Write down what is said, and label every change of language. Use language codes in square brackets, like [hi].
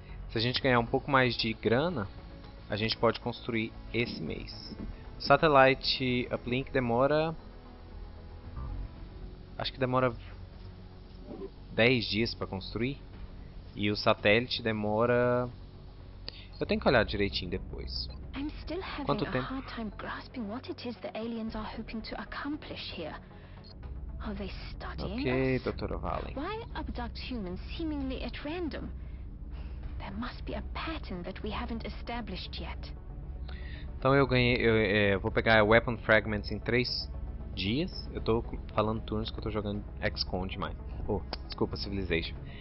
[pt] Se a gente ganhar um pouco mais de grana, a gente pode construir esse mês. Satellite uplink demora, acho que demora 10 dias para construir, e o satélite demora... Eu tenho que olhar direitinho depois. Quanto tempo? [en] Hard time grasping what it is the aliens are hoping to accomplish here. Are they studying us? Okay, Dr. Valen. Why abduct humans seemingly at random? There must be a pattern that we haven't established yet. [pt] Então eu vou pegar weapon fragments em 3 dias. Eu tô falando turnos que eu tô jogando XCOM demais. Oh, desculpa, Civilization.